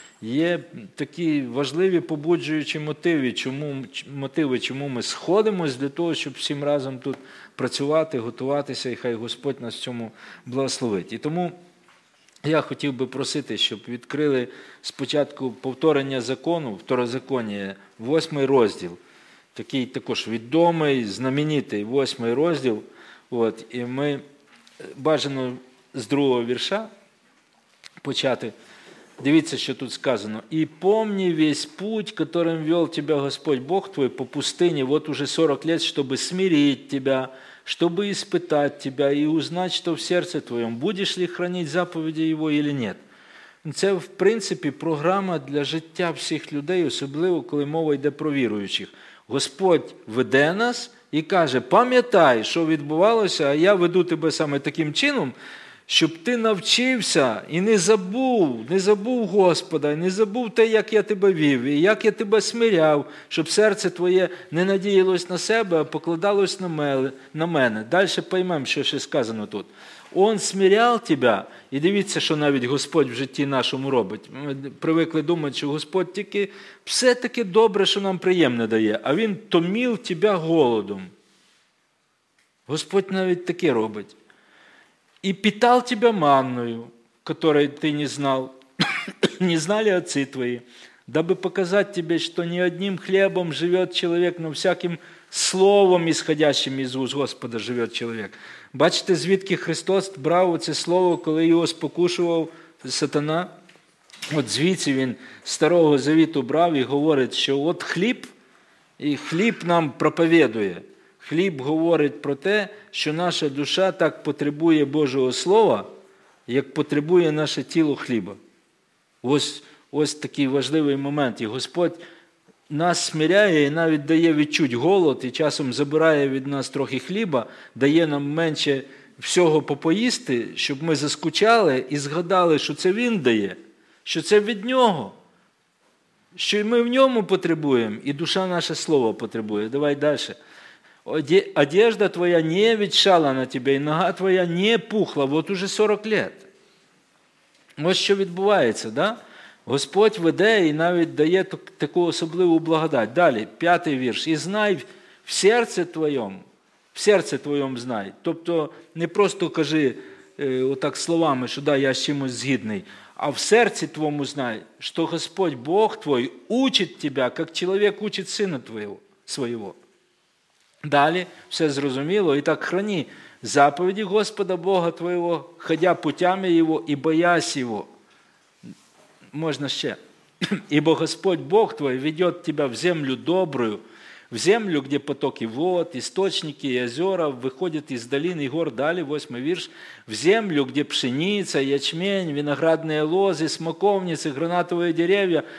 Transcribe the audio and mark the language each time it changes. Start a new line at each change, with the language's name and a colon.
Ukrainian: Є такі важливі побуджуючі мотиви, чому ми сходимося для того, щоб всім разом тут працювати, готуватися, і хай Господь нас в цьому благословить. І тому я хотів би просити, щоб відкрили спочатку повторення закону, второзаконня, 8 розділ, такий також відомий, знаменитий 8 розділ. От, і ми бажано з 2-го вірша почати. Дивіться, що тут сказано.
Russian: «І помни весь путь, которым вел тебя Господь Бог твой по пустыне вот уже 40 лет, чтобы смирить тебя, чтобы испытать тебя и узнать, что в сердце твоем, будешь ли хранить заповеди его или нет».
Ukrainian: Це, в принципі, програма для життя всіх людей, особливо, коли мова йде про віруючих. Господь веде нас і каже, пам'ятай, що відбувалося, а я веду тебе саме таким чином, щоб ти навчився і не забув Господа, не забув те, як я тебе вів, і як я тебе смиряв, щоб серце твоє не надіялось на себе, а покладалось на мене. Дальше поймемо, що ще сказано тут. Он смиряв тебе, і дивіться, що навіть Господь в житті нашому робить. Ми привикли думати, що Господь тільки все таке добре, що нам приємне дає, а Він томив тебе голодом. Господь навіть таке робить.
Russian: И питал тебя манною, которой ты не знал, не знали отцы твои, дабы показать тебе, что не одним хлебом живет человек, но всяким словом, исходящим из уст Господа, живет человек.
Ukrainian: Бачите, звідки Христос брав оце слово, коли його спокушував сатана? От звідси він старого завіту брав і говорить, що от хліб, і хліб нам проповедує. Хліб говорить про те, що наша душа так потребує Божого Слова, як потребує наше тіло хліба. Ось такий важливий момент. І Господь нас смиряє і навіть дає відчуть голод, і часом забирає від нас трохи хліба, дає нам менше всього попоїсти, щоб ми заскучали і згадали, що це Він дає, що це від Нього, що ми в Ньому потребуємо, і душа наше Слово потребує. Давай далі.
Russian: Одежда твоя не ветшала на тебе, и нога твоя не пухла. Вот уже 40 лет.
Ukrainian: Ось що відбувається, да? Господь веде і навіть дає таку особливу благодать. Далі, 5-й вірш. І знай в серце твоєму знай. Тобто не просто кажи отак словами, що да, я з чимось згідний, а в серці твоєму знай, що Господь Бог твой учить тебе, як чоловік учить сина твоєго, свого. Далі все зрозуміло. І так храни заповіді Господа Бога твоєго, ходя путями Його і боясь Його. Можна ще.
Russian: Ібо Господь Бог твой веде тебе в землю добрую, в землю, где потоки вод, источники и озера выходят из долин и гор.
Ukrainian: Далі, 8 вірш.
Russian: В землю, где пшеница, ячмень, виноградные лозы, смоковницы, гранатовые деревья.